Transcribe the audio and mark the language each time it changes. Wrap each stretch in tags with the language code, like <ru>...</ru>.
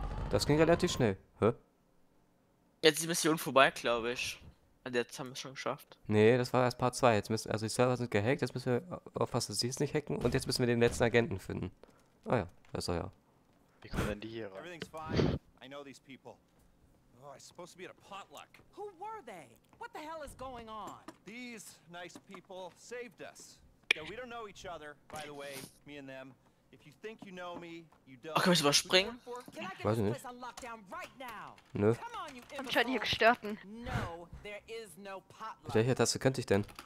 <de>Das ging relativ schnell. Hä? Jetzt ist die Mission vorbei, glaube ich. Also jetzt haben wir es schon geschafft. Nee, das war erst Part 2. Jetzt müssen, also die Server sind gehackt, jetzt müssen wir aufpassen, dass sie es nicht hacken. Und jetzt müssen wir den letzten Agenten finden. Ah ja, das war ja. Wie kommen denn die hier raus?</de> <en>Everything's fine. I know these people. Oh, I'm supposed to be at a potluck. Who were they? What the hell is going on? These nice people saved us. Yeah, we don't know each other, by the way, me and them. If you think you know me, you don't.</en> <de>Ach, kann ich überspringen? Weiß ich nicht. Nö. Ich hab schon hier gestört. Mit welcher Taste könnte ich denn?</de>